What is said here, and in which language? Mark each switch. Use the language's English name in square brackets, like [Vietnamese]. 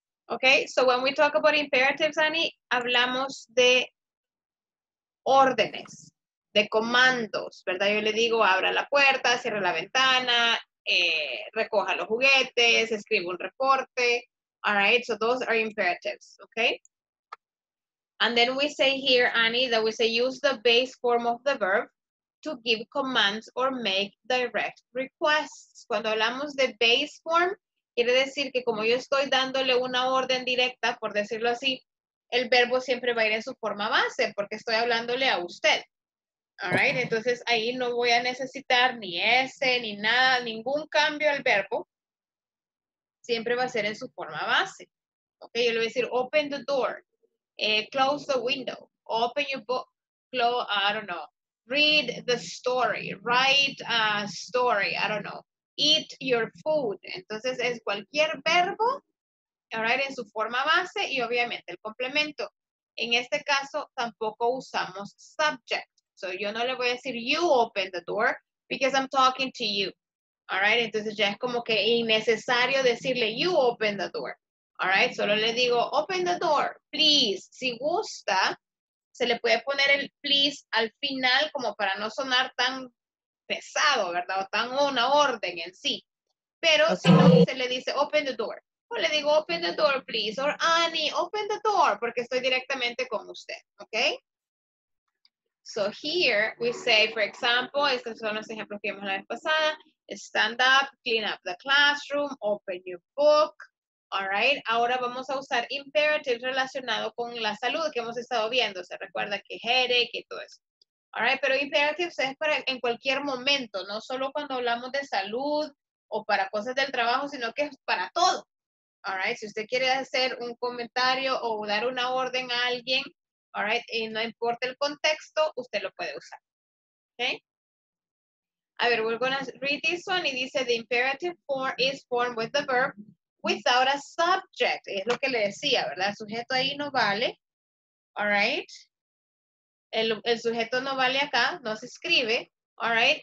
[English] Ok, so when we talk about imperatives, Annie, [Spanish] hablamos de órdenes, de comandos, ¿verdad? Yo le digo, abra la puerta, cierra la ventana, recoja los juguetes, escribe un reporte. [English] All right, so those are imperatives, okay? And then we say here, Annie, that we say use the base form of the verb to give commands or make direct requests. [Spanish] Cuando hablamos de base form, quiere decir que como yo estoy dándole una orden directa, por decirlo así, el verbo siempre va a ir en su forma base porque estoy hablándole a usted. All right, entonces ahí no voy a necesitar ni ese, ni nada, ningún cambio al verbo. Siempre va a ser en su forma base. [English] Ok, [Spanish] yo le voy a decir, [English] open the door, close the window, open your book, close, I don't know, read the story, write a story, I don't know, eat your food. [Spanish] Entonces es cualquier verbo, all right, en su forma base y obviamente el complemento. En este caso tampoco usamos subject. [English] So, [Spanish] yo no le voy a decir, [English] you open the door, because I'm talking to you. [Spanish] All right? Entonces, ya es como que innecesario decirle, [English] you open the door. [Spanish] All right? Solo le digo, [English] open the door, please. [Spanish] Si gusta, se le puede poner el please al final como para no sonar tan pesado, ¿verdad? O tan una orden en sí. Pero okay. Si no, se le dice, open the door. O le digo, [English] open the door, please. Or, Annie, open the door, [Spanish] porque estoy directamente con usted. [English] Okay? So here we say, for example, [Spanish] estos son los ejemplos que vimos la vez pasada. [English] Stand up, clean up the classroom, open your book. [Spanish] All right, ahora vamos a usar imperatives relacionado con la salud que hemos estado viendo. Se recuerda que headache y todo eso. All right, pero imperatives es para en cualquier momento, no solo cuando hablamos de salud o para cosas del trabajo, sino que es para todo. All right, si usted quiere hacer un comentario o dar una orden a alguien, all right, y no importa el contexto, usted lo puede usar. [English] Okay? [Spanish] A ver, [English] we're going to read this one. [Spanish] Y dice, [English] the imperative form is formed with the verb without a subject. [Spanish] Y es lo que le decía, ¿verdad? Sujeto ahí no vale. All right. El sujeto no vale acá, no se escribe. All right.